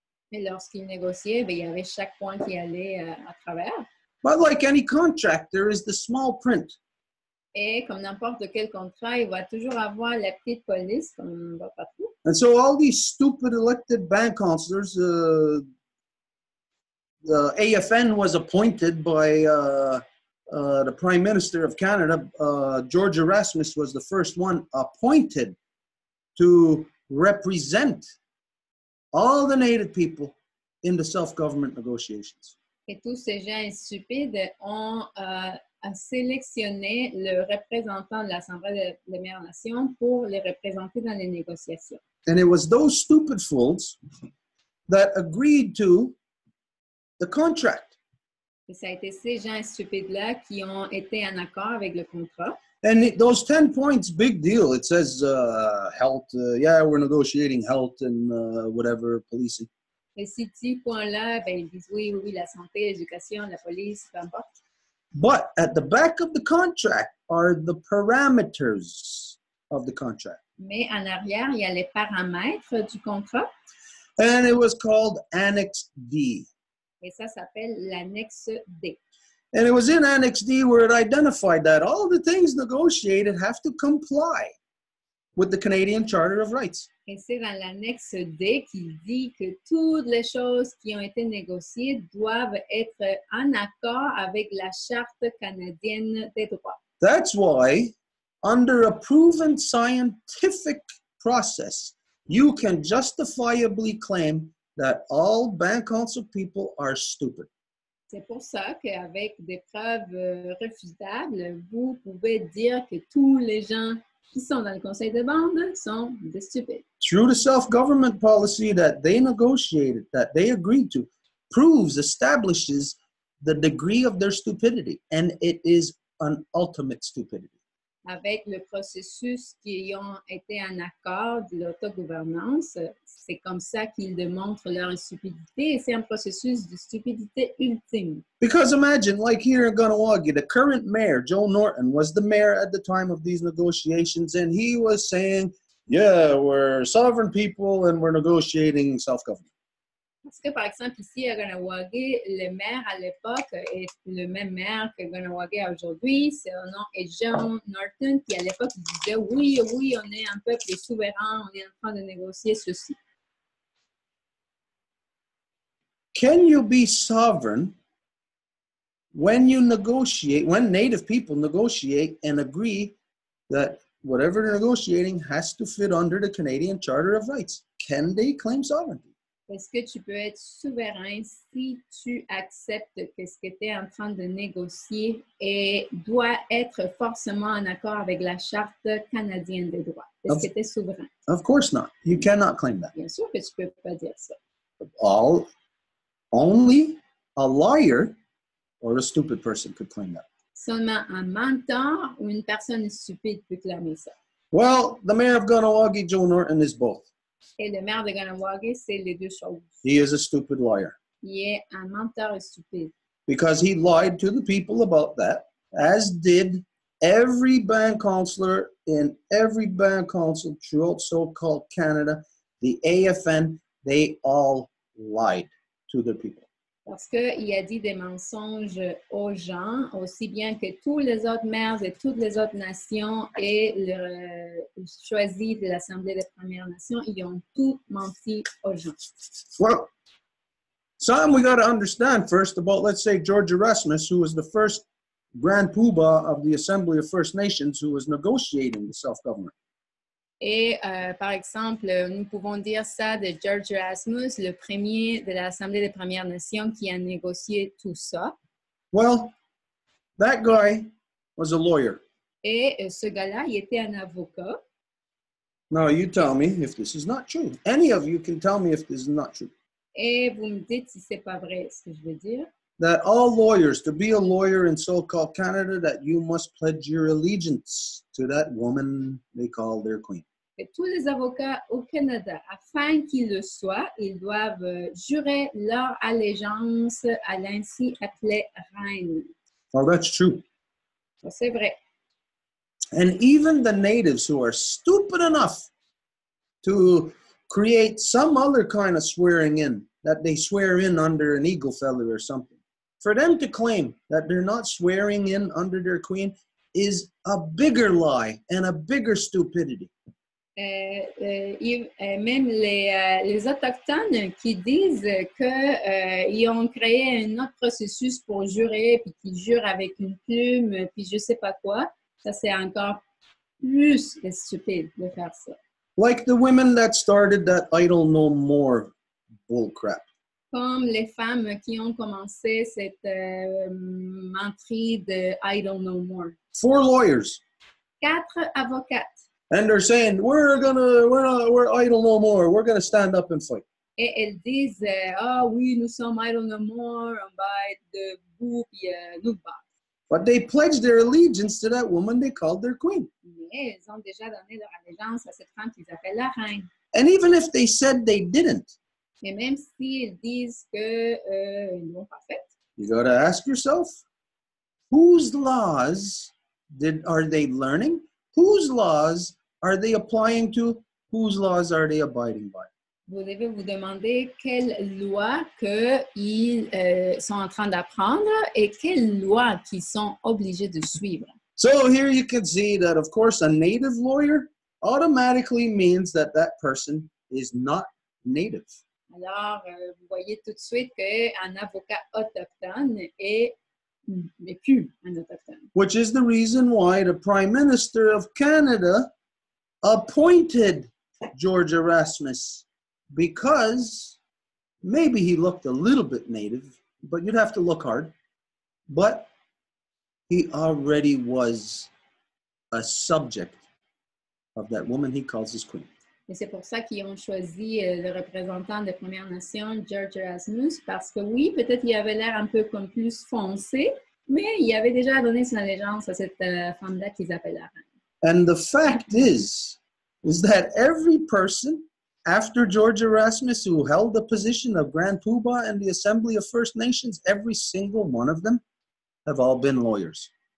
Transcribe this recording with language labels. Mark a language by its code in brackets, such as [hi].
[fr] Et lorsqu'ils négociaient, ben il y avait chaque point qui allait à travers. [en] But like any contract, there is the small print. [fr] Et comme n'importe quel contrat, il va toujours avoir la petite police comme partout. [en] And so all these stupid elected band counselors, the AFN was appointed by the Prime Minister of Canada. George Erasmus was the first one appointed to represent all the native people in the self-government negotiations. [fr] Et tous ces gens stupides ont à sélectionner le représentant de l'Assemblée des Premières Nations pour les représenter dans les négociations. [en] And it was those stupid fools that agreed to the contract. [fr] Et ça a été ces gens stupides-là qui ont été en accord avec le contrat. [en] And those 10 points, big deal. It says health, we're negotiating health and whatever, policing. [fr] Et ces 10 points-là, ben, ils disent oui, la santé, l'éducation, la police, peu importe. [en] But at the back of the contract are the parameters of the contract. [fr] Mais en arrière, il y a les paramètres du contrat. [en] And it was called Annex D. [fr] Et ça s'appelle l'annexe D. [en] And it was in Annex D where it identified that all the things negotiated have to comply with the Canadian Charter of Rights. [fr] Et c'est dans l'annexe D qui dit que toutes les choses qui ont été négociées doivent être en accord avec la Charte canadienne des droits. [en] That's why, under a proven scientific process, you can justifiably claim that all band council people are stupid. [fr] C'est pour ça qu'avec des preuves réfutables, vous pouvez dire que tous les gens qui sont dans le conseil de bande sont des stupides. [en] Through the self-government policy that they negotiated, that they agreed to, proves, establishes the degree of their stupidity. And it is an ultimate stupidity. [fr] Avec le processus qui ont été en accord de l'autogouvernance, c'est comme ça qu'ils démontrent leur stupidité. Et c'est un processus de stupidité ultime. [en] Because imagine, like here in Ganawagi, the current mayor, Joe Norton, was the mayor at the time of these negotiations, and he was saying, yeah, we're sovereign people and we're negotiating self-government. [fr] Est-ce que, par exemple, ici à Ganawagé, le maire à l'époque est le même maire que Ganawagé aujourd'hui? Son nom est John Norton, qui à l'époque disait « Oui, oui, on est un peuple souverain, on est en train de négocier ceci. » [en] Can you be sovereign when you negotiate, when native people negotiate and agree that whatever they're negotiating has to fit under the Canadian Charter of Rights? Can they claim sovereignty? [fr] Est-ce que tu peux être souverain si tu acceptes que ce que tu es en train de négocier et doit être forcément en accord avec la Charte canadienne des droits? Est-ce que tu es souverain? [en] Of course not. You cannot claim that. [fr] Bien sûr que tu peux pas dire ça. [en] Only a liar or a stupid person could claim that. [fr] Seulement un menteur ou une personne stupide peut clamer ça. [en] Well, the mayor of Ganawagé, Joe Norton, is both. [fr] Et le maire de Ganawagé, c'est les deux choses. [en] He is a stupid liar. [fr] Il est un menteur stupide. [en] Because he lied to the people about that, as did every bank councillor in every bank council throughout so-called Canada, the AFN, they all lied to the people. [fr] Parce qu'il a dit des mensonges aux gens, aussi bien que tous les autres maires et toutes les autres nations et le choisi de l'Assemblée des Premières Nations, ils ont tout menti aux gens. [en] Well, something we got to understand first about, let's say, George Erasmus, who was the first grand poobah of the Assembly of First Nations, who was negotiating the self-government. [fr] Et par exemple, nous pouvons dire ça de George Erasmus, le premier de l'Assemblée des Premières Nations qui a négocié tout ça. [en] Well, that guy was a lawyer. [fr] Et ce gars-là, il était un avocat. [en] Now you tell me if this is not true. Any of you can tell me if this is not true. [fr] Et vous me dites si c'est pas vrai ce que je veux dire. [en] That all lawyers, to be a lawyer in so-called Canada, that you must pledge your allegiance to that woman they call their queen. [fr] Et tous les avocats au Canada, afin qu'ils le soient, ils doivent jurer leur allégeance à l'ainsi appelée reine. [en] Well, that's true. [fr] Ça, c'est vrai. [en] And even the natives who are stupid enough to create some other kind of swearing in, that they swear in under an eagle feather or something, for them to claim that they're not swearing in under their queen is a bigger lie and a bigger stupidity. [fr] Même les autochtones qui disent qu'ils ont créé un autre processus pour jurer, puis qu'ils jurent avec une plume, puis je sais pas quoi, ça c'est encore plus stupide de faire ça. [en] Like the women that started that idle no more bullcrap. [fr] Comme les femmes qui ont commencé cette menterie de I don't know more. [en] Four lawyers. [fr] Quatre avocates. [en] And they're saying, we're idle no more. We're going to stand up and fight. [fr] Et elles disent, ah oui, nous sommes idle no more. On va être debout, puis nous battre. [en] But they pledged their allegiance to that woman they called their queen. [fr] Mais elles ont déjà donné leur allégeance à cette femme qu'ils appellent la reine. [en] And even if they said they didn't, [fr] et même s'ils disent que ils l'ont pas fait. [en] You gotta ask yourself, whose laws are they learning? Whose laws are they applying to? Whose laws are they abiding by? [fr] Vous devez vous demander quelles lois qu'ils sont en train d'apprendre et quelles lois qu'ils sont obligés de suivre. [en] So here you can see that, of course, a native lawyer automatically means that that person is not native. [fr] Alors, vous voyez tout de suite qu'un avocat autochtone n'est plus un autochtone. [en] Which is the reason why the Prime Minister of Canada appointed George Erasmus, because maybe he looked a little bit native, but you'd have to look hard, but he already was a subject of that woman he calls his queen. [fr] Et c'est pour ça qu'ils ont choisi le représentant des Premières Nations, George Erasmus, parce que oui, peut-être il avait l'air un peu comme plus foncé, mais il avait déjà donné son allégeance à cette femme-là qu'ils appellent la reine. [en] And the fact is that every person after George Erasmus who held the position of Grand Poobah and the Assembly of First Nations, every single one of them have all been lawyers.